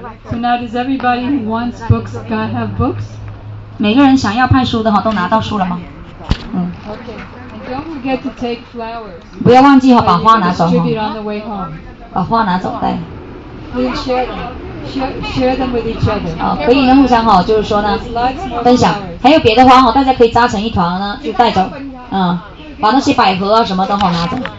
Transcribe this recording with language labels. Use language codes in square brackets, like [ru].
[en] So now does everybody who wants books got have books? [zh] 每个人想要派书的都拿到书了吗？ [en] Okay. Don't forget to take flowers. [zh] 不要忘记把花拿走把花拿走对。 [en] Share them with each other. [zh] 可以互相就是说呢，分享。还有别的花大家可以扎成一团呢，就带走。把那些百合什么都拿走。